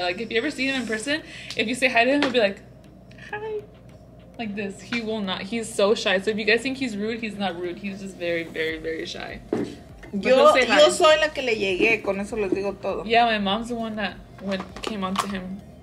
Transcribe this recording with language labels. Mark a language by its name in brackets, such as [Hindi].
[English] Like if you ever see him in person, if you say hi to him, he'll be like, hi, like this. He will not. He's so shy. So if you guys think he's rude, he's not rude. He's just very, very, very shy. [Spanish] Yo soy la que le llegué, con eso les digo todo. [English] Yeah, my mom's the one that came on to him.